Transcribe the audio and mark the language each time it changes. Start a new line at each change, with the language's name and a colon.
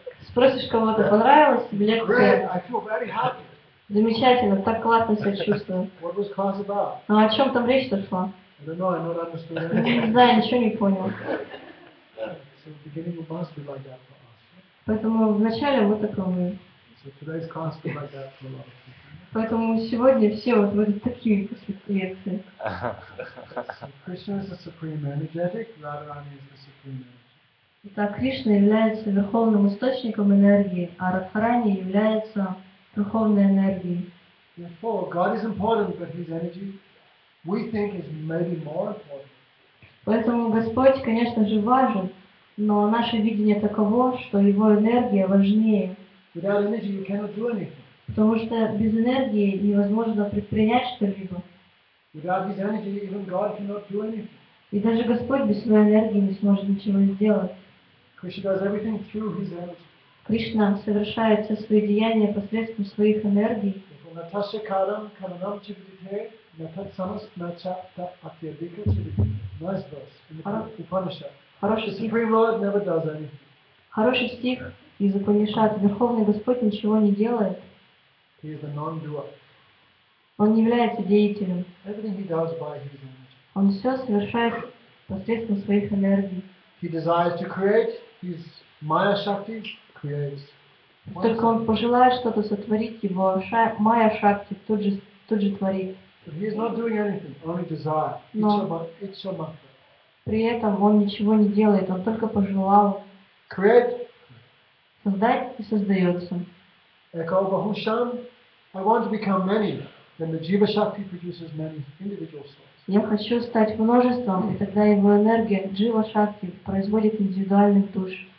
Russian: Спросишь кого-то, понравилось тебе лекция?
English: Great, I feel very happy.
Russian: Замечательно, так классно себя чувствую.
English: What was class about?
Russian: Ну, о чем там речь-то шла?
English: I don't know, I don't understand anything.
Russian: Не знаю, ничего не понял.
English: So the beginning of class would be like that for us.
Russian: Поэтому вначале вот такого.
English: So today's class would be like that for a lot of people.
Russian: Поэтому сегодня все вот будут такими после лекции.
English: Krishna is the supreme energetic, Radharani is the supreme energy.
Russian: Итак, Кришна является верховным источником энергии, а Радхарани является верховной энергией.
English: Therefore, God is important, but His energy, we think, is maybe more important.
Russian: Поэтому Господь, конечно же, важен, но наше видение таково, что Его энергия важнее.
English: Without energy, you cannot do anything.
Russian: Потому что без энергии невозможно предпринять что-либо.
English: Without His energy, even God cannot do anything.
Russian: И даже Господь без своей энергии не сможет ничего сделать.
English: Krishna does everything through His energy.
Russian: Кришна совершает все свои деяния посредством своих энергий.
Sanskrit: Natasha Karam Kananam Chibite Natat Samast Nachata Atyadika Chibite.
English: Nice verse in the Upanishad. The Supreme Lord never does anything.
Russian: Хороший стих из Упанишад. Верховный Господь ничего не делает. He is the non-doer. Он не является деятелем. Everything He does by His energy. Он все совершает посредством своих энергий.
English: He desires to create, his Maya Shakti creates.
Russian: Только он пожелает что-то сотворить, его Maya Shakti тут же творит.
English: He is not doing anything, only desire.
Russian: Но
English: it's your mantra.
Russian: При этом он ничего не делает, он только пожелал.
English: Create.
Russian: Создать и создается.
Sanskrit: Echo Bahusham.
English: I want to become many. Then the Jiva Shakti produces many individual souls.
Russian: Я хочу стать множеством, и тогда его энергия, Джива Шакти, производит индивидуальных душ.